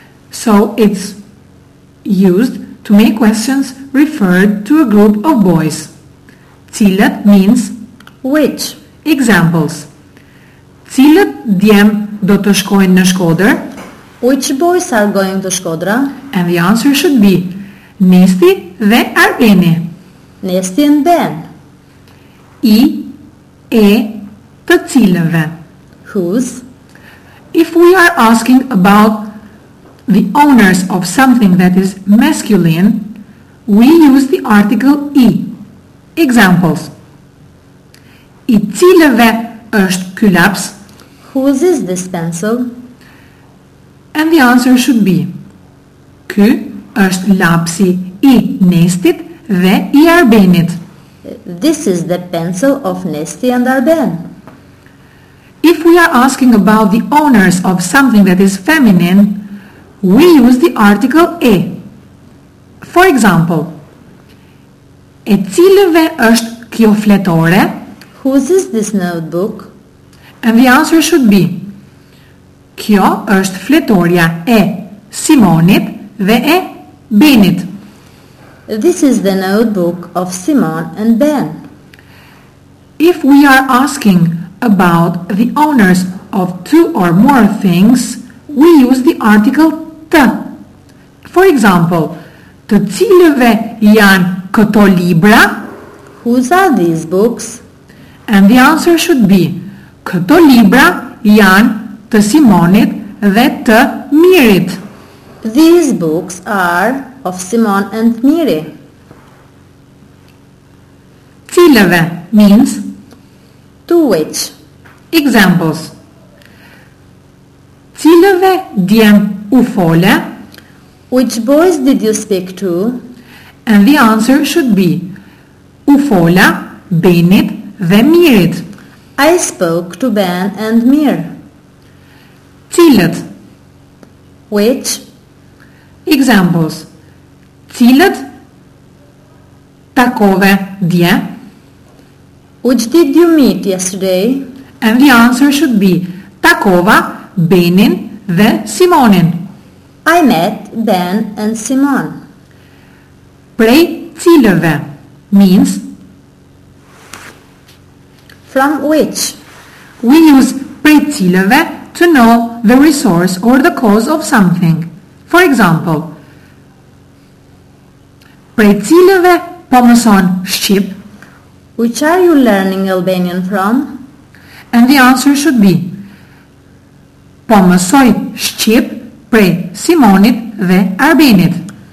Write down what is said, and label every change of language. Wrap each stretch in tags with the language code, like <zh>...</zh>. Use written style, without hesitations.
<en>So it's used to make questions referred to a group of boys. Zielet means which? Examples.</en> <sq>Cilët djem do të shkojnë në Shkodër?</sq> <en>Which boys are going to Shkodra? And the answer should be</en> <sq>Nesti dhe Arbeni.</sq> <en>Nesti and Ben.</en> <sq>I, e, të cilëve.</sq> <en>Whose? If we are asking about the owners of something that is masculine, we use the article I.</en> <sq>Examples. I cilëve është ky laps?</sq> <en>Whose is this pencil? And the answer should be</en> <sq>ky është lapsi I Nestit dhe I Arbenit.</sq> <en>This is the pencil of Nesti and Arben. If we are asking about the owners of something that is feminine, we use the article e. For example,</en> <sq>e cilëve është kjo fletore?</sq> <en>Whose is this notebook? And the answer should be</en> <sq>kjo është fletoria e Simonit dhe e Benit.</sq> <en>This is the notebook of Simon and Ben. If we are asking about the owners of two or more things, we use the article të. For example,</en> <sq>të cilëve janë këto libra?</sq> <en>Whose are these books? And the answer should be</en> <sq>këto libra janë të Simonit dhe të Mirit.</sq> <en>These books are of Simon and Miri. Cilëve means to which.</en> <sq>Examples. Cilëve djem u fole?</sq> <en>Which boys did you speak to? And the answer should be</en> <sq>u fola Benit dhe Mirit.</sq> <en>I spoke to Ben and Mir.</en> <sq>Cilët?</sq> <en>Which?</en> <sq>Examples. Cilët takove dje?</sq> <en>Which did you meet yesterday? And the answer should be</en> <sq>takova Benin dhe Simonin.</sq> <en>I met Ben and Simon.</en> <sq>Prej cilëve means</sq> <en>from which? We use</en> <sq>prej cilëve</sq> <en>to know the resource or the cause of something. For example,</en> <sq>prej cilëve po mëson Shqip?</sq> <en>Which are you learning Albanian from? And the answer should be</en> <sq>po mësoj Shqip prej Simonit dhe Arbenit.</sq>